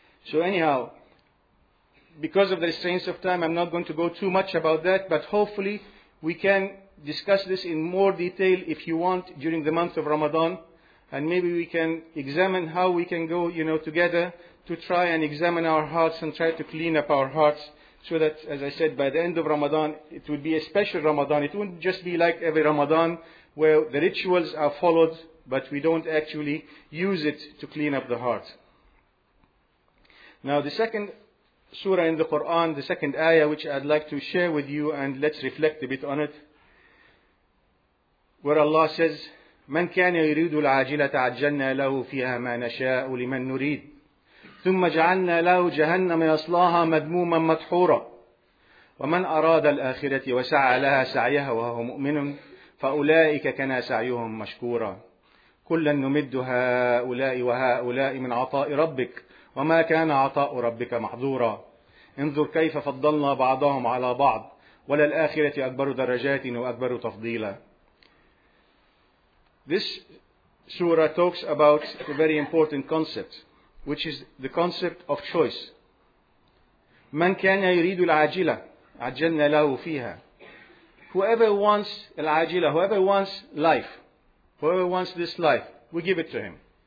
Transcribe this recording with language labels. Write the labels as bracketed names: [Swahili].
[English] So anyhow, because of the restraints of time, I'm not going to go too much about that, but hopefully we can discuss this in more detail if you want during the month of Ramadan, and maybe we can examine how we can go, you know, together to try and examine our hearts and try to clean up our hearts. So that, as I said, by the end of Ramadan, it would be a special Ramadan. It wouldn't just be like every Ramadan where the rituals are followed, but we don't actually use it to clean up the heart. Now, the second surah in the Quran, the second ayah, which I'd like to share with you, and let's reflect a bit on it, where Allah says, [Arabic] مَنْ كَانَ يُرِيدُ الْعَاجِلَةَ عَجَّلْنَا لَهُ فِيهَا مَا نَشَاءُ لِمَنْ نُرِيدُ ثُمَّ جَعَلْنَا لَهُ جَهَنَّمَ يَصْلَاهَا مَذْمُومًا مَدْحُورًا وَمَنْ أَرَادَ الْآخِرَةِ وَسَعَى لَهَا سَعْيَهَا وَهُوَ مُؤْمِنٌ فَأُولَئِكَ كَانَ سَعْيُهُمْ مَشْكُورًا كُلًّا نُمِدُّ هَؤُلَاءِ وَهَؤُلَاءِ مِنْ عَطَاءِ رَبِّكَ وَمَا كَانَ عَطَاءُ رَبِّكَ مَحْظُورًا انظُرْ كَيْفَ فَضَّلْنَا بَعْضَهُمْ عَلَى بَعْضٍ وَلَلْآخِرَةِ أَكْبَرُ دَرَجَاتٍ وَأَكْبَرُ تَفْضِيلًا. This [English] surah talks about a very important concept, which is the concept of choice. [Arabic] مَنْ كَانَ يُرِيدُ الْعَاجِلَةِ عَجَّلْنَا لَهُ فِيهَا. [English] Whoever wants al-ajila, whoever wants life, whoever wants this life, we give it to him.